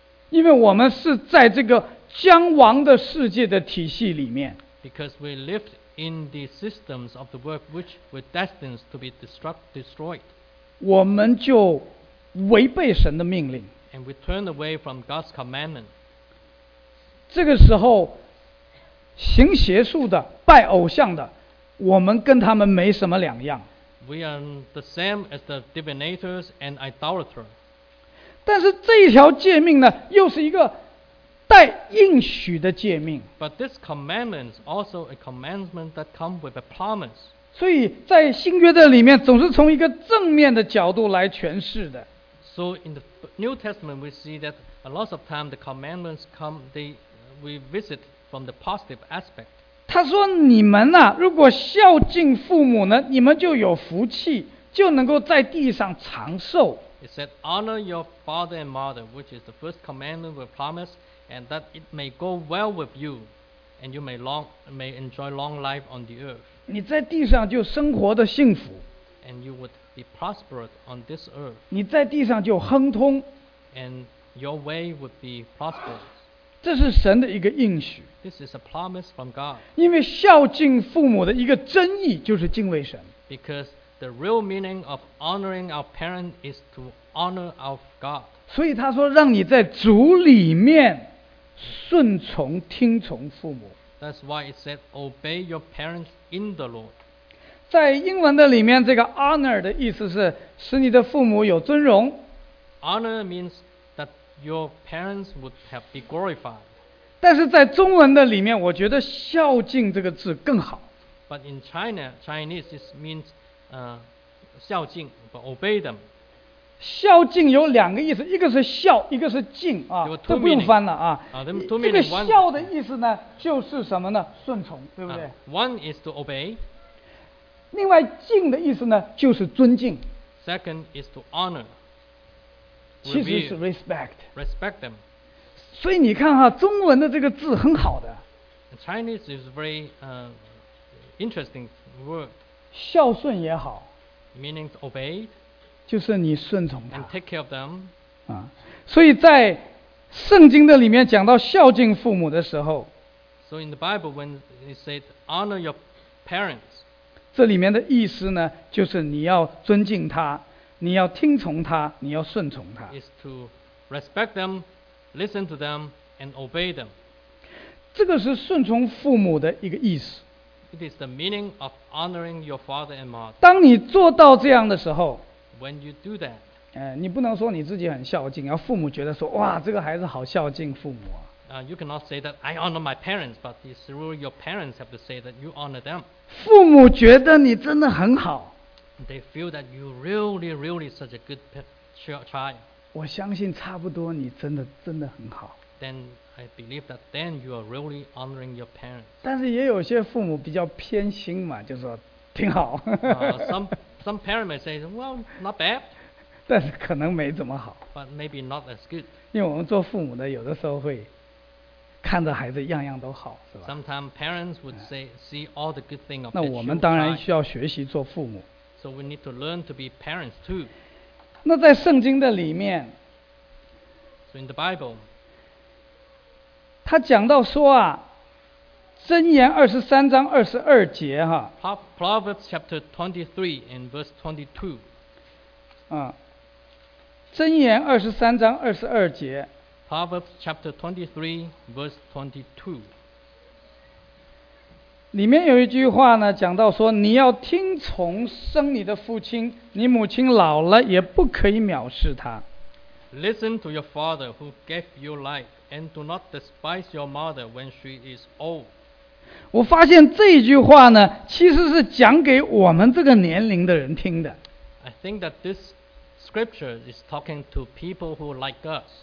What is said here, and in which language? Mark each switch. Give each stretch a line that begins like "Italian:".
Chinese: 因为我们是在这个将亡的世界的体系里面。
English: Because we lived in the systems of the world which were destined to be destroyed.
Chinese: 我们就违背神的命令。
English: And we turned away from God's commandment.
Chinese: 这个时候行邪术的、拜偶像的，我们跟他们没什么两样。
English: We are the same as the divinators and idolaters.
Chinese: 但是这一条诫命呢，又是一个带应许的诫命。
English: But this commandment is also a commandment that comes with a promise.
Chinese: 所以在新约的里面总是从一个正面的角度来诠释的。
English: So in the New Testament we see that a lot of time the commandments come, we visit from the positive aspect.
Chinese: 他说你们啊，如果孝敬父母呢，你们就有福气，就能够在地上长寿。
English: He said, honor your father and mother, which is the first commandment with promise, and that it may go well with you, and you may enjoy long life on the earth.
Chinese: 你在地上就生活的幸福。
English: And you would be prosperous on this earth.
Chinese: 你在地上就亨通。
English: And your way would be prosperous.
Chinese: 这是神的一个应许。
English: This is a promise from God.
Chinese: 因为孝敬父母的一个真意就是敬畏神。
English: Because the real meaning of honoring our parents is to honor our God.
Chinese: 所以他说让你在主里面顺从听从父母。
English: That's why it said obey your parents in the Lord.
Chinese: 在英文的里面这个 honor 的意思是使你的父母有尊荣。
English: Honor means that your parents would have be glorified.
Chinese: 但是在中文的里面我觉得孝敬这个字更好。
English: But in China, Chinese it means孝敬 but obey them.
Chinese: 孝敬有两个意思，一个是孝，一个是敬啊，都不用翻了啊。这个孝的意思呢，就是什么呢？顺从，对不对
English: ？One is to obey.
Chinese: 另外，敬的意思呢，就是尊敬。
English: Second is to honor.
Chinese: 其实是 respect.
English: Respect them.
Chinese: 所以你看哈，中文的这个字很好的。
English: Chinese is very interesting word.
Chinese: 孝顺也好。
English: Meaning to obey.
Chinese: 就是你顺从他
English: and take care of them.、
Chinese: 啊、所以在圣经的里面讲到孝敬父母的时候
English: So in the Bible when it said honor your parents
Chinese: 这里面的意思呢就是你要尊敬他，你要听从他，你要顺从他
English: is to respect them, listen to them and obey them.
Chinese: 这个是顺从父母的一个意思。
English: It is the meaning of honoring your father and mother.
Chinese: 当你做到这样的时候
English: When you do that,
Chinese: 你不能说你自己很孝敬，要父母觉得说，哇，这个孩子好孝敬父母啊。
English: You cannot say that I honor my parents, but it's through your parents have to say that you honor them.
Chinese: 父母觉得你真的很好。
English: They feel that you really, really such a good child.
Chinese: 我相信差不多，你真的很好。
English: Then I believe that then you are really honoring your parents.
Chinese: 但是也有些父母比较偏心嘛，就说挺好。
English: Some parents may say, well, not bad.
Chinese: 但是可能没怎么好。
English: But maybe not as good.
Chinese: 因为我们做父母的有的时候会看着孩子样样都好，是吧？
English: Sometimes parents would say, see all the good things of the children.
Chinese: 那我们当然需要学习做父母。
English: So we need to learn to be parents too.
Chinese: 那在圣经的里面
English: So in the Bible,
Chinese: 他讲到说啊箴言二十三章二十二节哈
English: Proverbs chapter 23 and verse 22
Chinese: 啊箴言二十三章二十二节
English: Proverbs chapter 23 verse 22
Chinese: 里面有一句话呢讲到说你要听从生你的父亲你母亲老了也不可以藐视他
English: Listen to your father who gave you life and do not despise your mother when she is old
Chinese: 我发现这一句话呢其实是讲给我们这个年龄的人听的
English: I think that this scripture is talking to people who are like us